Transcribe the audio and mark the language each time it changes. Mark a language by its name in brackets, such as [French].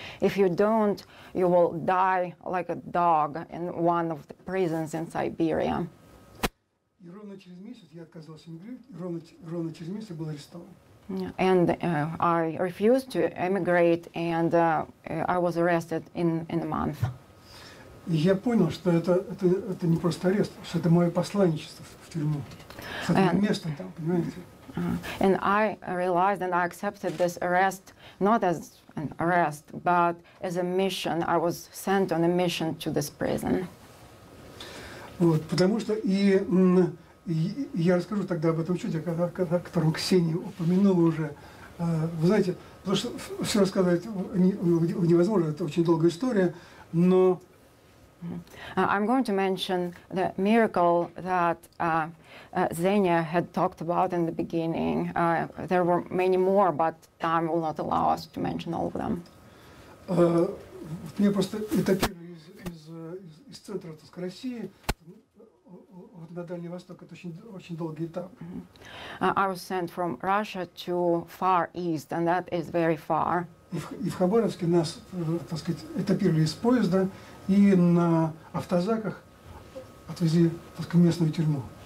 [English] If you don't, you will die like a dog in one of the prisons in Siberia. [Russian] И ровно через месяц я отказался эмигрировать, ровно через месяц я был арестован. [English] And I refused to emigrate, and I was arrested in a month. [Russian] Я понял, что это не просто арест, что это мое посланничество в тюрьму. Это место там, понимаете? [English] And I realized and I accepted this arrest not as an arrest, but as a mission. I was sent on a mission to this prison. [Russian] Вот, потому что и я расскажу тогда об этом чуде, о котором Ксения упомянула уже. Вы знаете, потому что все рассказывать невозможно, это очень долгая история, но... [English] I'm going to mention the miracle that Xenia had talked about in the beginning. There were many more, but time will not allow us to mention all of them. [Russian] Мне просто этапировали из центра, так сказать, России. Вот на Дальний Восток это очень долгий этап. [English] I was sent from Russia to Far East, and that is very far. [Russian] И в Хабаровске нас, так сказать, этапировали из поезда, и на автозаках отвезли в местную тюрьму.